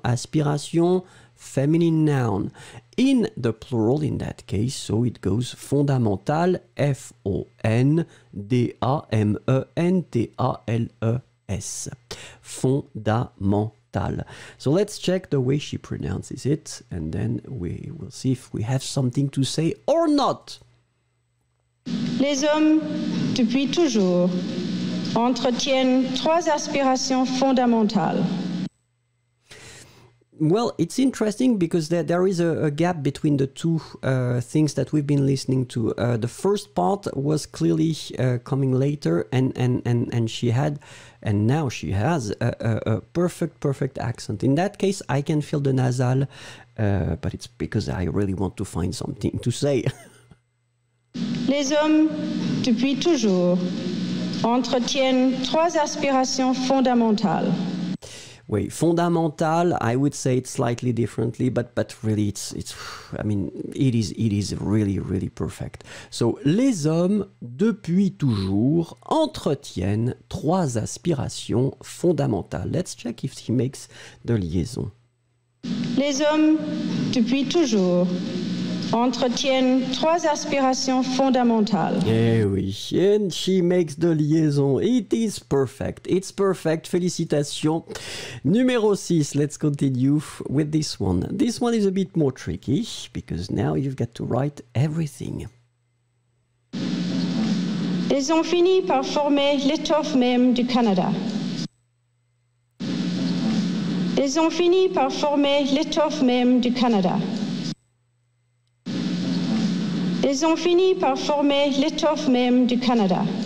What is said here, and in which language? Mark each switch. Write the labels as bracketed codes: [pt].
[en] Aspiration, feminine noun. In the plural, in that case, so it goes fondamental, F-O-N-D-A-M-E-N-T-A-L-E-S. [fr] Fondamental. [en] So let's check the way she pronounces it, and then we will see if we have something to say or not. [fr] Les hommes, depuis toujours, entretiennent trois aspirations fondamentales. [en] Well, it's interesting because there is a gap between the two things that we've been listening to. The first part was clearly coming later, and she had, and now she has a perfect accent. In that case, I can feel the nasal, but it's because I really want to find something to say. [fr] Les hommes, depuis toujours, entretiennent trois aspirations fondamentales. [en] Wait, fondamental, I would say it slightly differently, but really it's I mean it is really really perfect. [fr] So les hommes depuis toujours entretiennent trois aspirations fondamentales. [en] Let's check if he makes the liaison. [fr] Les hommes depuis toujours entretiennent trois aspirations fondamentales. Eh oui, [en] and she makes the liaison. It is perfect. It's perfect. [fr] Félicitations. Numéro 6, [en] let's continue with this one. This one is a bit more tricky because now you've got to write everything. [fr] Ils ont fini par former l'étoffe même du Canada. Ils ont fini par former l'étoffe même du Canada. Ils ont fini par former l'étoffe même du Canada.